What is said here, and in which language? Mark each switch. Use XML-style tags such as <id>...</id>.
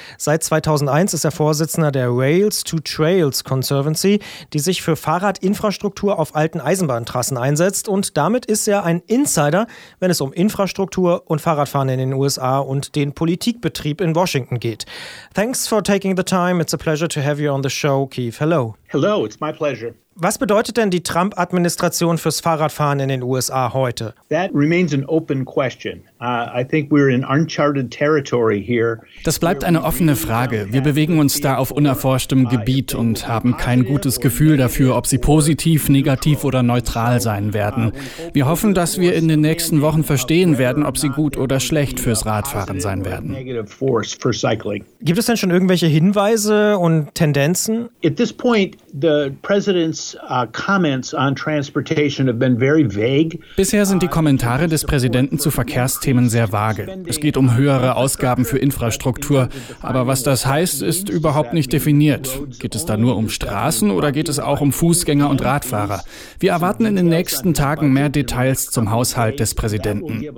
<de>Seit 2001 ist er Vorsitzender der Rails to Trails Conservancy, die sich für Fahrradinfrastruktur auf alten Eisenbahntrassen einsetzt. Und damit ist er ein Insider, wenn es um Infrastruktur und Fahrradfahren in den USA und den Politikbetrieb in Washington geht.</de> <en>Thanks for taking the time. It's a pleasure to have you on the show, Keith. Hello. Hello, it's my pleasure.</en> <de>Was bedeutet denn die Trump-Administration fürs Fahrradfahren in den USA heute?</de> <en>That remains an open question. I think we're in uncharted territory here.</en> <de>Das bleibt eine offene Frage. Wir bewegen uns da auf unerforschtem Gebiet und haben kein gutes Gefühl dafür, ob sie positiv, negativ oder neutral sein werden. Wir hoffen, dass wir in den nächsten Wochen verstehen werden, ob sie gut oder schlecht fürs Radfahren sein werden. Gibt es denn schon irgendwelche Hinweise und Tendenzen?</de> <en>At this point, the president's comments on transportation have been very vague.</en> <de>Bisher sind die Kommentare des Präsidenten zu Verkehrsthemen sehr vage. Es geht um höhere Ausgaben für Infrastruktur, aber was das heißt, ist überhaupt nicht definiert. Geht es da nur um Straßen oder geht es auch um Fußgänger und Radfahrer? Wir erwarten in den nächsten Tagen mehr Details zum Haushalt des Präsidenten.</de>